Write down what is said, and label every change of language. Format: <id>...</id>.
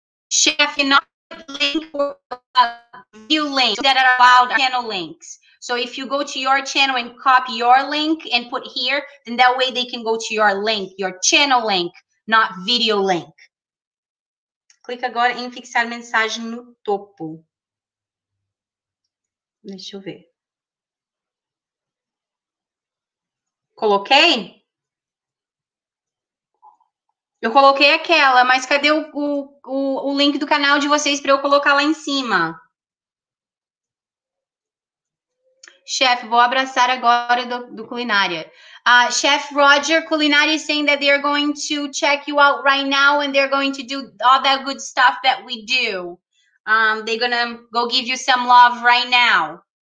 <en>Chefe, not link or view links that are allowed are channel links. So if you go to your channel and copy your link and put here, then that way they can go to your link, your channel link, not video link.</en> <pt>Clica agora em fixar mensagem no topo. Deixa eu ver. Coloquei? Eu coloquei aquela, mas cadê o link do canal de vocês para eu colocar lá em cima? Chef, vou abraçar agora do culinária.</pt> <en>Chef Roger, culinária is saying that they are going to check you out right now and they're going to do all that good stuff that we do. They're going to go give you some love right now.</en>